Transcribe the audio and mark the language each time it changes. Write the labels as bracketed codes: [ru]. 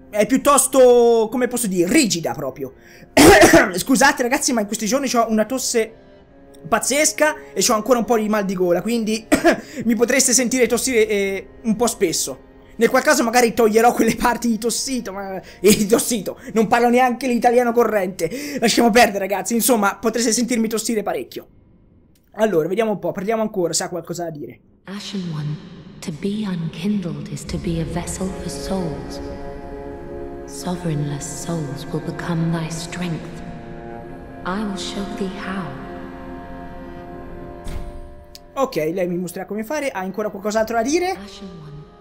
[it] È piuttosto, come posso dire, rigida proprio. Scusate ragazzi, ma in questi giorni ho una tosse pazzesca e ho ancora un po' di mal di gola, quindi mi potreste sentire tossire un po' spesso. Nel qual caso magari toglierò quelle parti di tossito, ma... di tossito, non parlo neanche l'italiano corrente. Lasciamo perdere, ragazzi. Insomma, potreste sentirmi tossire parecchio. Allora, vediamo un po', parliamo ancora, se ha qualcosa da dire. [en] Ashen One, to be unkindled is to be a vessel for souls. Sovereignless souls will become thy strength. I will show thee how. [it] Ok, lei mi mostrerà come fare. Ha ancora qualcos'altro da dire? Ashen One.